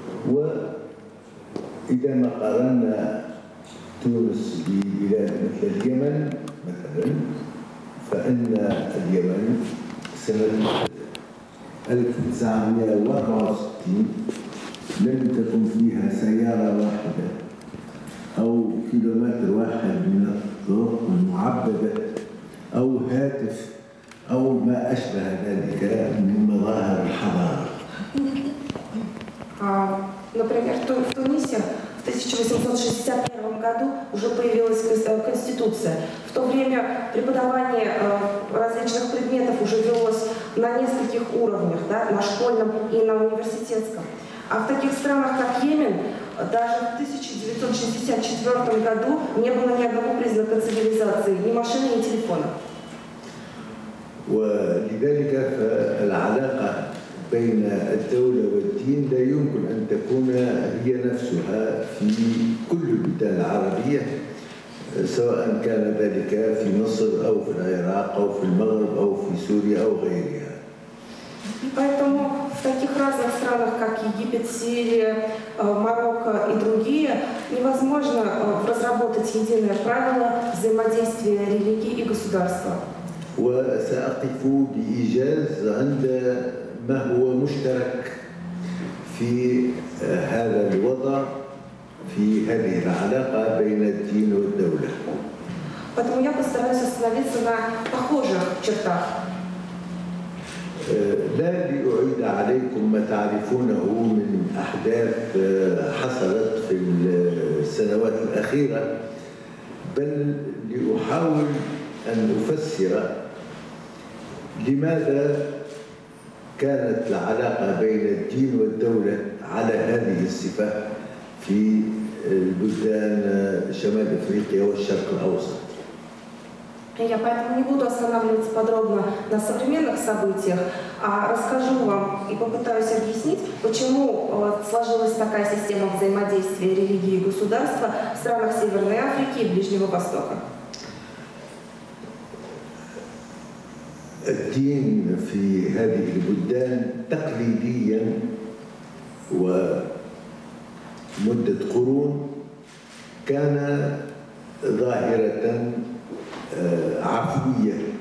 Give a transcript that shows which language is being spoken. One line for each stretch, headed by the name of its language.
Arabic: وإذا ما قارنا تونس ببلاد مثل اليمن مثلا فإن اليمن سنة 1964 لم تكن فيها سيارة واحدة أو كيلومتر واحد من الطرق المعبدة أو هاتف أو ما أشبه ذلك من مظاهر الحضارة.
Russian: Например, в Тунисе в 1861 году уже появилась конституция. В то время преподавание различных предметов уже велось на нескольких уровнях, да, на школьном и на университетском. А в таких странах, как Йемен, даже в 1964 году не было ни одного признака цивилизации, ни машины, ни телефона.
Arabic: ولذلك فالعلاقة بين الدولة والدين لا يمكن أن تكون هي نفسها في كل البلدان العربية سواء كان ذلك في مصر أو في العراق أو في المغرب أو في سوريا أو غيرها.
Russian: Поэтому в таких разных странах, как Египет, Сирия, Марокко и другие, невозможно разработать единое правило взаимодействия религии и государства.
Arabic: وسأقف بإيجاز عند ما هو مشترك في هذا الوضع في هذه العلاقة بين الدين والدولة.
Russian: Поэтому я постараюсь остановиться на похожих чертах.
Arabic: لا لأعيد عليكم ما تعرفونه من أحداث حصلت في السنوات الأخيرة بل لأحاول أن أفسر لماذا كانت العلاقة بين الدين والدولة على هذه الصفة في البلدان شمال أفريقيا والشرق الأوسط.
Russian: Я поэтому не буду останавливаться подробно на современных событиях, а расскажу вам и попытаюсь объяснить, почему сложилась такая система взаимодействия религии и государства в странах Северной Африки и Ближнего Востока.
Arabic: الدين في هذه البلدان تقليديا ومدة قرون كان ظاهرة عفوية